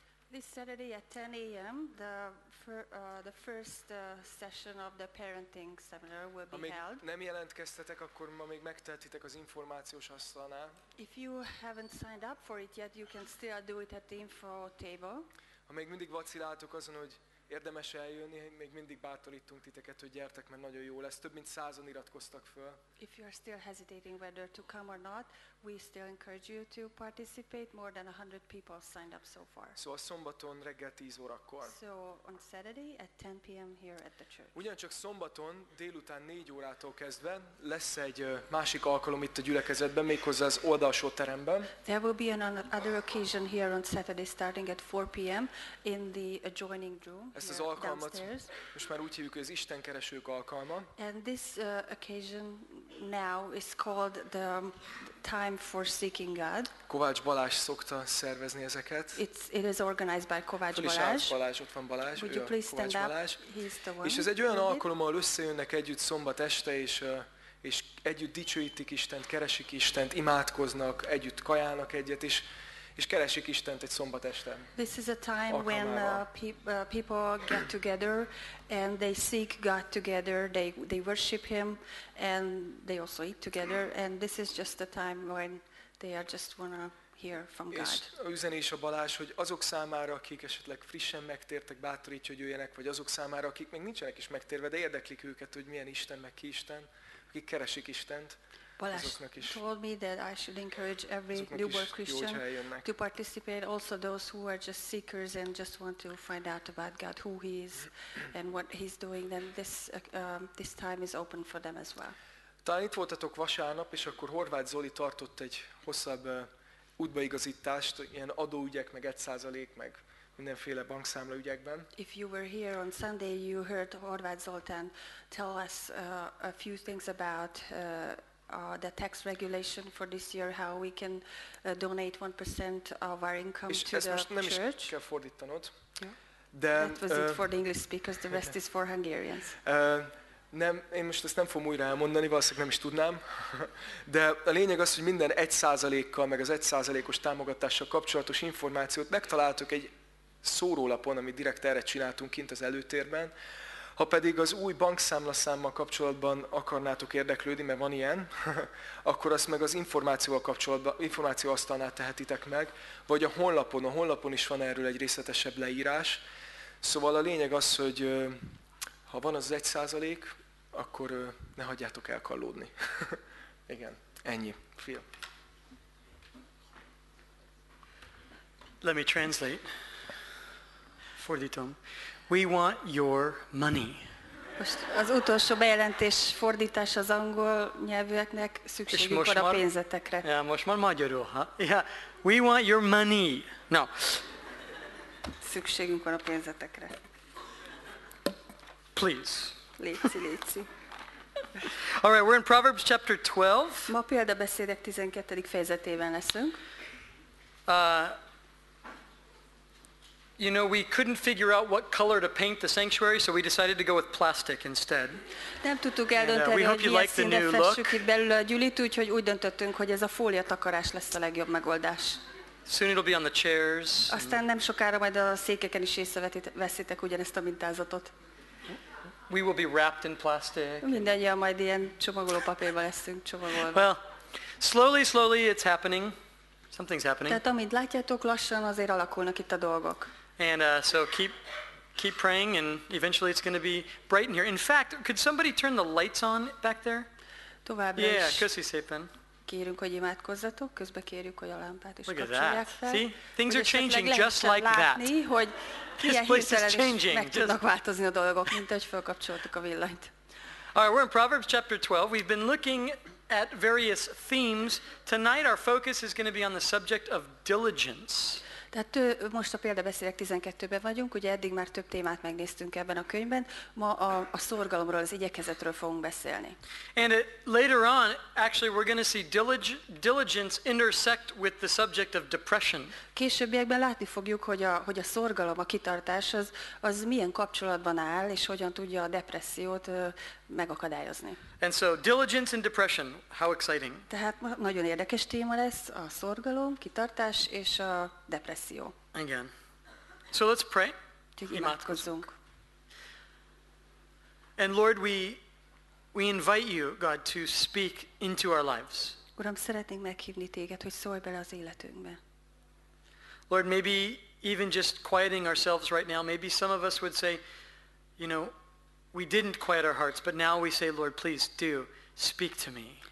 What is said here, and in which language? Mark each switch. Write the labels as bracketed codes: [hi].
[en] This Saturday at 10 a.m., the first session of the parenting seminar will be held. [hu] Nem jelentkeztetek, akkor ma még megtehetitek az információs asztalnál. [en] If you haven't signed up for it yet, you can still do it at the info table. [hu] Ha még mindig vaciláltok azon, hogy érdemes eljönni, még mindig bátorítunk titeket, hogy gyertek, mert nagyon jó lesz. Több mint 100-an iratkoztak föl. [en] If you are still hesitating whether to come or not, we still encourage you to participate. More than 100 people signed up so far. [hu] Szóval szombaton reggel 10 órakor. [en] So on Saturday at 10 p.m. here at the church. [hu] Ugyancsak szombaton délután 4 órától kezdve lesz egy másik alkalom itt a gyülekezetben, méghozzá az oldalsó teremben. [en] There will be another occasion here on Saturday starting at 4 p.m. in the adjoining room. [hu] Ezt az alkalmat most már úgy hívjuk, hogy az Istenkeresők alkalma. [en] And this occasion now is called the time for seeking God. [hu] Kovács Balázs szokta szervezni ezeket. [en] It is organized by Kovács Balázs. [hu] Fel is állt Balázs, ott van Balázs. [en] Would you please stand up? He's the one. [hu] És ez egy olyan alkalom, ahol összejönnek együtt szombat este, és együtt dicsőítik Istent, keresik Istent, imádkoznak, együtt kajálnak egyet, és keresik Istent egy szombat este. [en] This is a time when people get together and they seek God together, they worship him and they also eat together, and this is just a time when they are just wanna hear from God. [hu] És a üzenés a Balázs, hogy azok számára, akik esetleg frissen megtértek, bátorítja, hogy jöjjenek, vagy azok számára, akik még nincsenek is megtérve, de érdeklik őket, hogy milyen Isten, meg ki Isten, akik keresik Istent. [en] Balázs told me that I should encourage every newborn Christian to participate, also those who are just seekers and just want to find out about God, who he is and what he's doing, then this time is open for them as well. [hu] Talán itt voltatok vasárnap, és akkor Horváth Zoli tartott egy hosszabb útbaigazítást, ilyen adóügyek, meg 1%, meg mindenféle bankszámla ügyekben. [en] If you were here on Sunday, you heard Horváth Zoltán tell us a few things about the tax regulation for this year, how we can donate 1% of our income to the church. [hu] Nem is kell fordítanod. [en] Yeah. De, that was it for the English speakers, the rest is for Hungarians. [hu] Nem, én most ezt nem fogom újra elmondani, valószínűleg nem is tudnám. De a lényeg az, hogy minden 1%-kal, meg az 1%-os támogatással kapcsolatos információt megtaláltuk egy szórólapon, amit direkt erre csináltunk kint az előtérben. Ha pedig az új bankszámlaszámmal kapcsolatban akarnátok érdeklődni, mert van ilyen, akkor azt meg az információval kapcsolatban, információ asztalnál tehetitek meg, vagy a honlapon is van erről egy részletesebb leírás. Szóval a lényeg az, hogy ha van az 1%, akkor ne hagyjátok elkallódni. Igen, ennyi. Phil. [en] Let me translate. [hu] Fordítom. [en] We want your money. [hu] Most az utolsó bejelentés fordítás az angol nyelvűeknek, szükségük van a pénzetekre. Ja, most már magyarul, ha? [en] Yeah, we want your money. No. [hu] Szükségünk van a pénzetekre. [en] Please. [hu] Léci, léci. [en] All right, we're in Proverbs chapter 12. [hu] Ma példabeszédek 12. fejezetében leszünk. [en] You know, we couldn't figure out what color to paint the sanctuary, so we decided to go with plastic instead. [hu] Nem tudtuk eldönteni, [en] and, we hope you like the new look. [hu] Itt belül a gyűlit, úgyhogy úgy döntöttünk, hogy ez a fólia takarás lesz a legjobb megoldás. [en] Soon it'll be on the chairs. [hu] Aztán nem sokára majd a székeken is észreveszitek ugyanezt a mintázatot. [en] We will be wrapped in plastic. [hu] Mindannyian majd ilyen csomagoló papírba leszünk csomagolva. [en] Well, slowly it's happening. Something's happening. [hu] Tehát amit látjátok, lassan azért alakulnak itt a dolgok. [en] And so keep praying, and eventually it's going to be bright in here. In fact, could somebody turn the lights on back there? [hu] Továbbra is. [en] Yeah, [hu] köszi szépen. Kérünk, hogy imádkozzatok, közben kérjük, hogy a lámpát is kapcsolják fel. [en] See, things are changing just like [hu] látni, [en] that. [hu] Látni, hogy ilyen hirtelen meg tudnak változni a dolgok, mint ahogy felkapcsoltuk a villanyt. [en] All right, we're in Proverbs chapter 12. We've been looking at various themes. Tonight our focus is going to be on the subject of diligence. [hu] Tehát most a példabeszélek 12-ben vagyunk, ugye eddig már több témát megnéztünk ebben a könyvben, ma a szorgalomról, az igyekezetről fogunk beszélni. [en] And later on, actually we're going to see diligence intersect with the subject of depression. [hu] Későbbiekben látni fogjuk, hogy a szorgalom, a kitartás az milyen kapcsolatban áll, és hogyan tudja a depressziót megakadályozni. [en] And so diligence and depression, how exciting. [hu] Tehát nagyon érdekes téma lesz a szorgalom, kitartás és a depresszió. Igen. [en] So let's pray. [hu] Imádkozzunk. [en] And Lord, we invite you, God, to speak into our lives. [hu] Uram, szeretnénk meghívni téged, hogy szólj bele az életünkbe. [en] Lord, maybe even just quieting ourselves right now, maybe some of us would say, you know, we didn't quiet our hearts, but now we say, Lord, please do speak to me.